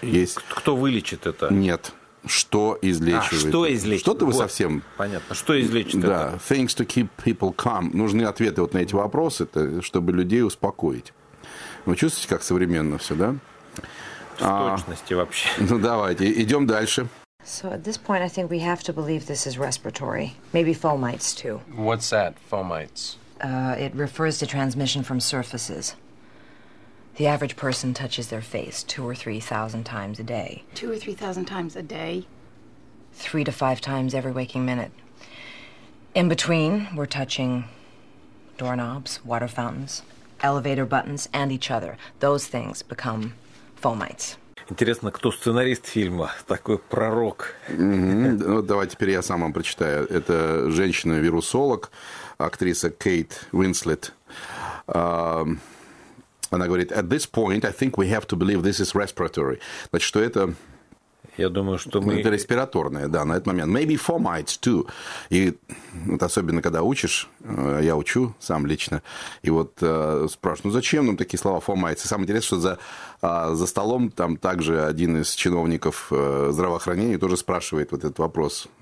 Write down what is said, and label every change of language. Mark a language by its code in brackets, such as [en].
[ru] Есть... Кто вылечит это? Нет. Что излечивает? А, что излечит? Что-то вы вот. Совсем... Понятно. Что излечит да. это? [en] Things to keep people calm. [ru] Нужны ответы вот на эти вопросы, чтобы людей успокоить. Вы чувствуете, как современно все, да? Точности вообще. Ну, давайте. Идем дальше. [en] So at this point, I think we have to believe this is respiratory. Maybe fomites, too. What's that, fomites? It refers to transmission from surfaces. The average person touches their face 2,000 or 3,000 times a day. 2,000 or 3,000 times a day? 3 to 5 times every waking minute. In between, we're touching doorknobs, water fountains, elevator buttons, and each other. Those things become fomites. [ru] Интересно, кто сценарист фильма? Такой пророк. Ну, давай теперь я сам вам прочитаю. Это женщина-вирусолог, актриса Кейт Уинслет. Она говорит, [en] at this point, I think we have to believe this is respiratory. [ru] Значит, что это... Я думаю, что мы... Это респираторное, да, на этот момент. [en] Maybe fomites, too. [ru] И вот особенно, когда учишь, я учу сам лично, и вот спрашиваю, ну зачем нам такие слова fomites? И самое интересное, что за столом там также один из чиновников здравоохранения тоже спрашивает вот этот вопрос.